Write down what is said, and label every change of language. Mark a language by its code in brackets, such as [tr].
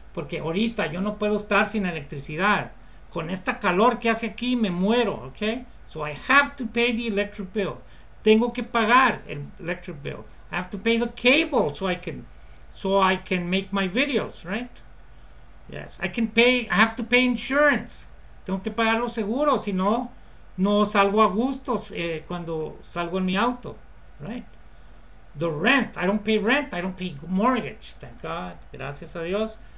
[es] Porque ahorita yo no puedo estar sin electricidad. Con esta calor que hace aquí me muero. [en] Okay? So I have to pay the electric bill. [es] Tengo que pagar el [en] electric bill. I have to pay the cable so I can make my videos, right? Yes, I have to pay insurance. [es] Tengo que pagar los seguros, si no, no salgo a gusto cuando salgo en mi auto, right? [en] The rent, I don't pay mortgage, thank God, [es] gracias a Dios.